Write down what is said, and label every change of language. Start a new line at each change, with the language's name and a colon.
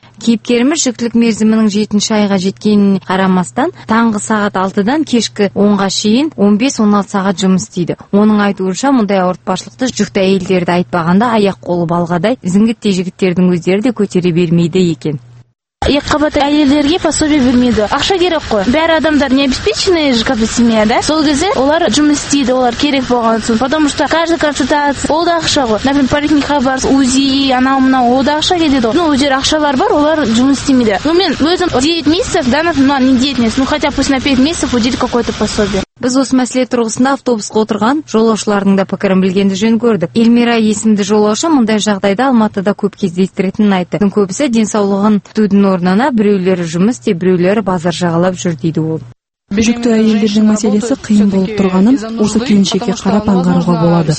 Kazakh: Кейіпкеріміз жүктілік мерзімінің 7-ші айға жеткеніне қарамастан, таңғы сағат 6-дан кешкі 10-ға шейін 15-16 сағат жұмыс істейді. Оның айтуынша, мұндай ауыртпашылықты жүкті әйелдерді айтпағанда аяқ қолы балғадай, зіңгіттей жігіттердің өздері де көтере бермейді екен. Екіқабат әйелдерге пособие бермейді. Ақша керек қой. Бәрі адамдар
Russian: не обеспеченные же, как бы семья, да?
Kazakh: Сол кезде олар жұмыс істейді, олар керек болған соң,
Russian: потому что каждый консультация
Kazakh: ол да ақша ғой. Например, поликлиникаға барсын, УЗИ, анау-мынау ол да ақша кетеді. Ну, өзер ақшалар бар, олар жұмыс істемейді.
Russian: Ну,
Kazakh: мен өзім
Russian: 9 месяцев, да, ну, не 9 месяцев, ну, хотя пусть на 5 месяцев уделить какое-то пособие.
Kazakh: Біз осы мәселе тұрғысында автобусқа отырған жолаушылардың да пікірін білгенді жөн көрдік. Эльмира есімді жолаушы мұндай жағдайда Алматыда көп кездестіретінін айтты. Көбісі денсаулығын күтудің орнына біреулері жұмыс істеп, біреулері базар жағалап жүр дейді ол. Жүкті әйелдердің мәселесі қиын болып тұрғанын осы келіншекке қарап аңғаруға болады.